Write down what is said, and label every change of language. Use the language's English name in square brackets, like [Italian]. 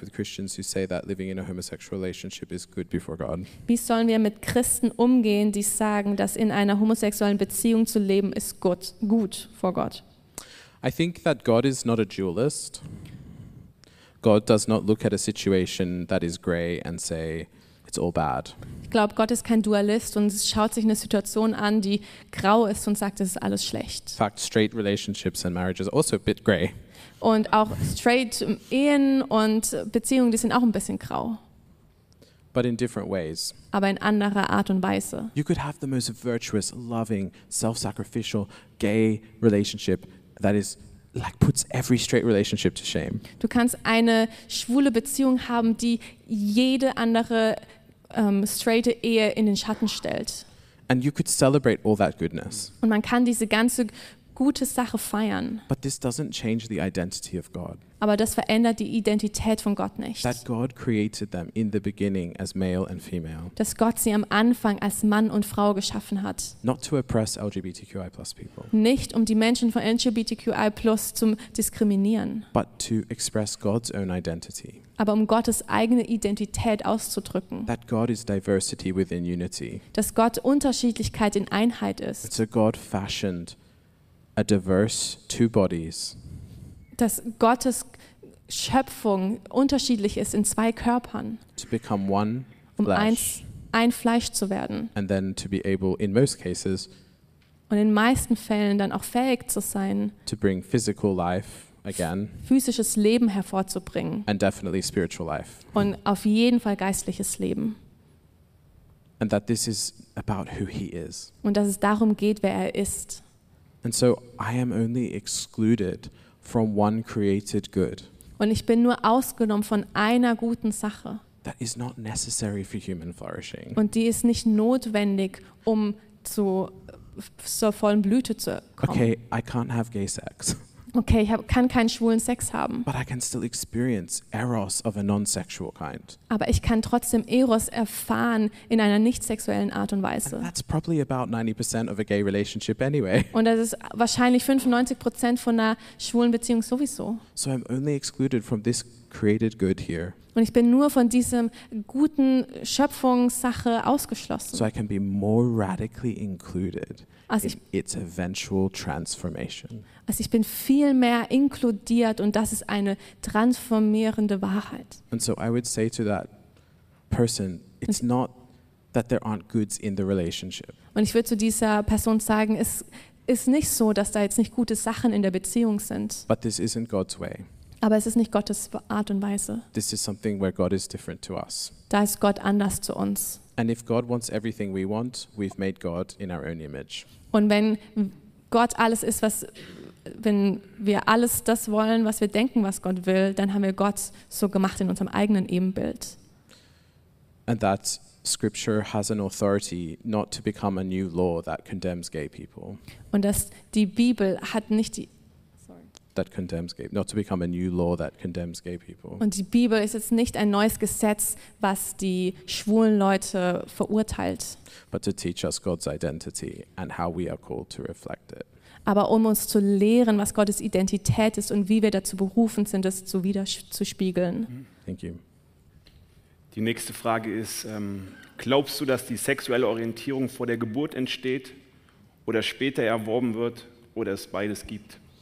[English] with Christians who say that living in a homosexual relationship is good before God? [German] Wie sollen wir mit Christen umgehen, die sagen, dass in einer homosexuellen Beziehung zu leben ist gut vor Gott? [English] I think that God is not a dualist. God does not look at a situation that is gray and say it's all bad. [German] Ich glaube, Gott ist kein Dualist und schaut sich eine Situation an, die grau ist und sagt, es ist alles schlecht. [English] In fact, straight relationships and marriages are also a bit gray. [German] Und auch straight Ehen und Beziehungen, die sind auch ein bisschen grau. [English] But in different ways. [German] Aber in anderer Art und Weise. [English] You could have the most virtuous, loving, self-sacrificial gay relationship that is like puts every straight relationship to shame. [German] Du kannst eine schwule Beziehung haben, die jede andere straighte Ehe in den Schatten stellt. [English] And you could celebrate all that goodness. [German] Und man kann diese ganze gute Sache feiern. [English] But this doesn't change the identity of God. [German] Aber das verändert die Identität von Gott nicht. [English] That God created them in the beginning as male and female. [German] Dass Gott sie am Anfang als Mann und Frau geschaffen hat. [English] Not to oppress LGBTQI+ people. [German] Nicht um die Menschen von LGBTQI+ zu diskriminieren. [English] But to express God's own identity. [German] Aber um Gottes eigene Identität auszudrücken. [English] That God is diversity within unity. [German] Dass Gott Unterschiedlichkeit in Einheit ist. [English] It's a God fashioned a diverse two bodies. [German] Dass Gottes Schöpfung unterschiedlich ist in zwei Körpern. [English] To become one [German] um [English] flesh. [German] Ein Fleisch zu werden. [English] And then to be able in most cases [German] und in meisten Fällen dann auch fähig zu sein [English] to bring physical life again. [German] Physisches Leben hervorzubringen. [English] And definitely spiritual life. [German] Und auf jeden Fall geistliches Leben. [English] And that this is about who he is. [German] Und dass es darum geht, wer er ist. [English] And so I am only excluded from one created good. [German] und ich bin nur ausgenommen von einer guten Sache. [English] That is not necessary for human flourishing. [German] Und die ist nicht notwendig, um zur vollen Blüte zu kommen. [English] Okay, I can't have gay sex. [German] Okay, ich kann keinen schwulen Sex haben. [English] But I can still experience eros of a non-sexual kind. [German] Aber ich kann trotzdem Eros erfahren in einer nicht sexuellen Art und Weise. [English] And that's probably about 90% of a gay relationship anyway. [German] Und das ist wahrscheinlich 95% von einer schwulen Beziehung sowieso. [English] So I'm only excluded from this created good here. [German] Und ich bin nur von diesem guten Schöpfungssache ausgeschlossen. [English] So I can be more radically included. It's eventual transformation. [German] Also ich bin viel mehr inkludiert und das ist eine transformierende Wahrheit. [English] And so I would say to that person, it's not that there aren't goods in the relationship. [German] Und ich würde zu dieser Person sagen, es ist nicht so, dass da jetzt nicht gute Sachen in der Beziehung sind. [English] But this isn't God's way. [German] Aber es ist nicht Gottes Art und Weise. [English] This is something where God is different to us. [German] Da ist Gott anders zu uns. [English] And if God wants everything we want, we've made God in our own image. [German] Und wenn Gott alles ist, was wenn wir alles das wollen, was wir denken, was Gott will, dann haben wir Gott so gemacht in unserem eigenen Ebenbild. [English] And that scripture has an authority not to become a new law that condemns gay people. [German] Und dass die Bibel hat nicht die [English] that condemns gay, not to become a new law that condemns gay people. [German] Und die Bibel ist jetzt nicht ein neues Gesetz, was die schwulen Leute verurteilt. [English] But to teach us God's identity and how we are called to reflect it. [German] Aber um uns zu lehren, was Gottes Identität ist und wie wir dazu berufen sind, das zu widerspiegeln. [English] Thank you. [German] Die nächste Frage ist, glaubst du, dass die sexuelle Orientierung vor der Geburt entsteht oder später erworben wird oder es beides gibt?